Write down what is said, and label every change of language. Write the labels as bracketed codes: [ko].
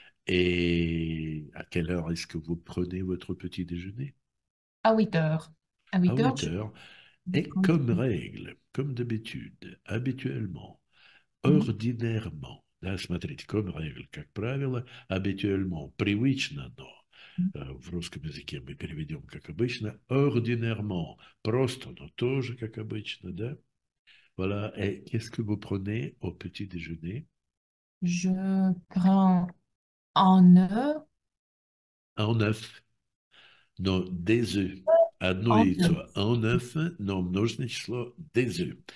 [fr] Et à quelle heure est-ce que vous prenez votre petit déjeuner? À 8h. À À 8 heures, 8 heures. je Et compte. comme règle, comme d'habitude, habituellement, ordinairement, [ru] да, смотрите, [fr] comme règle, [ru] как правило, [fr] habituellement, [ru] привычно, но. В русском языке мы переведем как обычно, ordinairement, просто, но тоже как обычно, да? [fr] Voilà, et qu'est-ce que vous prenez au petit déjeuner? Je prends un œuf. Un œuf, non, des œufs, [ru] одно [fr] Un [ru] яйцо, [fr] un œuf, non, [ru] множественное число, [fr] des œufs.